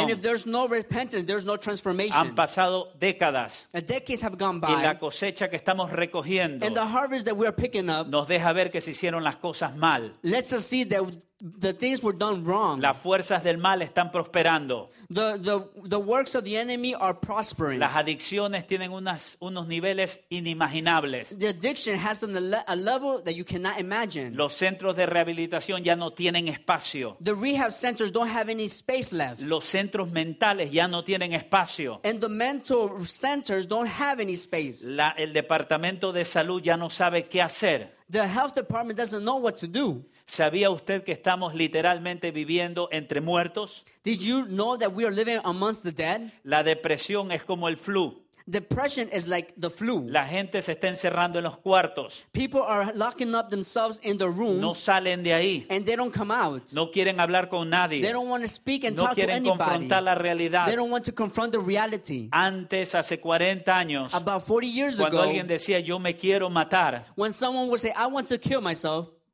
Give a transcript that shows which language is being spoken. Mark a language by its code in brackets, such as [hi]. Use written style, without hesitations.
[en] And if there's no repentance, there's no transformation. [es] Han pasado décadas. [en] And decades have gone by. [es] Y la cosecha que estamos recogiendo. [en] And the harvest that we are picking up. [es] Nos deja ver que se hicieron las cosas mal. [en] Let's just see that the things were done wrong. [es] Las fuerzas del mal están prosperando. [en] The works of the enemy are prospering. [es] Las adicciones tienen unos niveles inimaginables. [en] The addiction has a level that you cannot imagine. [es] Los centros de rehabilitación ya no tienen espacio. [en] The rehab centers don't have any space left. [es] Los centros mentales ya no tienen espacio. [en] And the mental centers don't have any space. [es] El departamento de salud ya no sabe qué hacer. [en] The health department doesn't know what to do. [es] ¿Sabía usted que estamos literalmente viviendo entre muertos? [en] Did you know that we are living amongst the dead? [es] La depresión es como el flu. [en] Depression is like the flu. [es] La gente se está encerrando en los cuartos. [en] People are locking up themselves in their rooms. [es] No salen de ahí. [en] And they don't come out. [es] No quieren hablar con nadie. [en] They don't want to speak and [es] no [en] talk to anybody. [es] No quieren confrontar la realidad. [en] They don't want to confront the reality. [es] Antes, hace 40 años, [en] about 40 years [es] cuando cuando alguien decía yo me quiero matar, [en] when someone would say I want to kill myself,